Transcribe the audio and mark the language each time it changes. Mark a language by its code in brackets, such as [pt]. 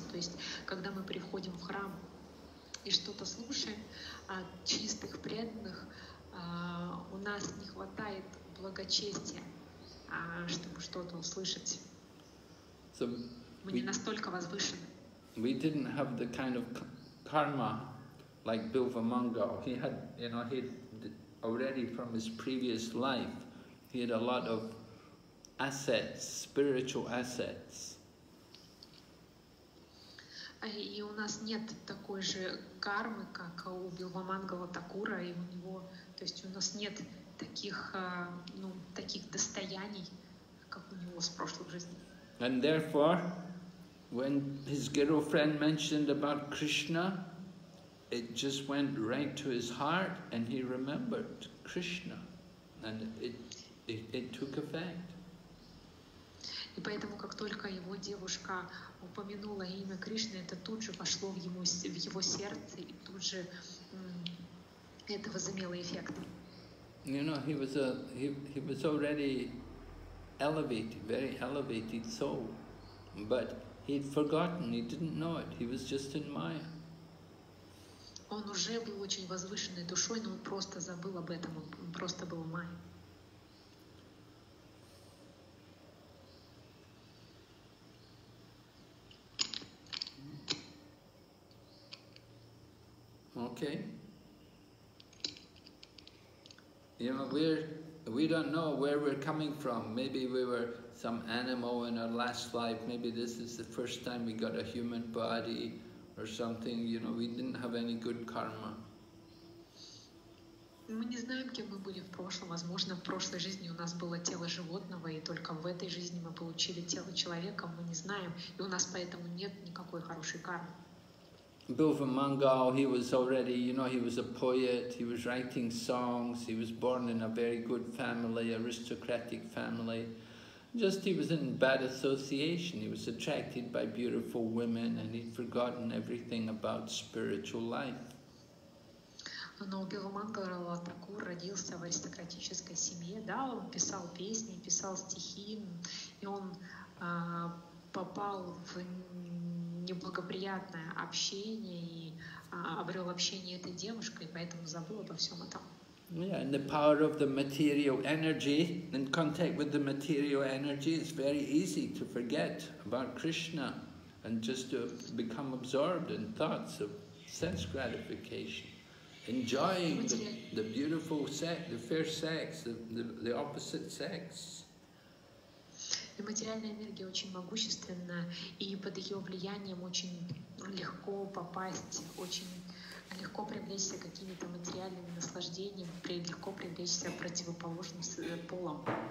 [ru] То есть, когда мы приходим в храм и что-то слушаем от чистых преданных, у нас не хватает благочестия, чтобы что-то услышать. [en] So [ru] мы не настолько возвышены. [en] We didn't have the kind of karma like Bilvamangala. He had, you know, he already from his previous life, he had a lot of assets, spiritual assets. [ru] И у нас нет такой же кармы, как у Bilvamangala Thakura, и у него, то есть у нас нет таких, ну, таких достояний, как у него с прошлых жизней. [en] And therefore, when his girlfriend mentioned about Krishna, it just went right to his heart, and he remembered Krishna, and it took effect. [ru] И поэтому, как только его девушка упомянула имя Кришны, это тут же вошло в его сердце, и тут же это возымело эффект. [en] You know, he was already elevated, very elevated soul, but he'd forgotten, he didn't know it, he was just in Maya. [ru] Он уже был очень возвышенной душой, но он просто забыл об этом, он просто был в Майе. [en] Okay. You know, we don't know where we're coming from. Maybe we were some animal in our last life. Maybe this is the first time we got a human body or something. You know, we didn't have any good karma. [ru] Мы не знаем, кем мы были в прошлом. Возможно, в прошлой жизни у нас было тело животного, и только в этой жизни мы получили тело человека. Мы не знаем, и у нас поэтому нет никакой хорошей кармы. [en] Bilvamangala, he was already, you know, he was a poet, he was writing songs, he was born in a very good family, aristocratic family. Just he was in bad association, he was attracted by beautiful women and he'd forgotten everything about spiritual life. [ru] Но Bilvamangala Thakur родился в аристократической семье, да, он писал песни, писал стихи, и он попал в неблагоприятное общение и обрел общение этой девушкой, поэтому забыл обо всем этом. [en] Yeah, and the power of the material energy, in contact with the material energy, it's very easy to forget about Krishna. and just to become absorbed in thoughts of sense gratification, enjoying the beautiful sex, the fair sex, the opposite sex. [ru] И материальная энергия очень могущественна, и под ее влиянием очень легко попасть, очень легко привлечься к каким-то материальным наслаждениям, легко привлечься к противоположным полам.